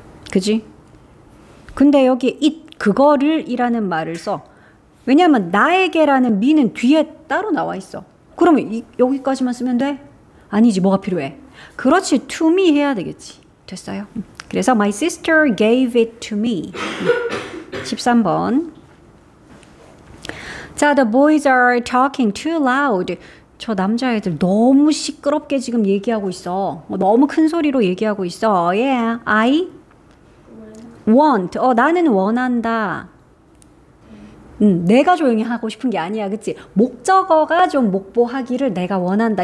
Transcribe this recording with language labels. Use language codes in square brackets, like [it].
[ko] 그지? 근데 여기 it 그거를 이라는 말을 써. 왜냐면 나에게라는 me는 뒤에 따로 나와 있어. 그러면 이, 여기까지만 쓰면 돼? 아니지, 뭐가 필요해? 그렇지, [en] to me [ko] 해야 되겠지. 됐어요? 그래서 [en] my sister gave it to me. [ko] 13번. [en] 자, the boys are talking too loud. [ko] 저 남자애들 너무 시끄럽게 지금 얘기하고 있어. 너무 큰 소리로 얘기하고 있어. [en] Yeah, I want. [ko] 나는 원한다. 내가 조용히 하고 싶은 게 아니야. 그치? 목적어가 좀 목보하기를 내가 원한다.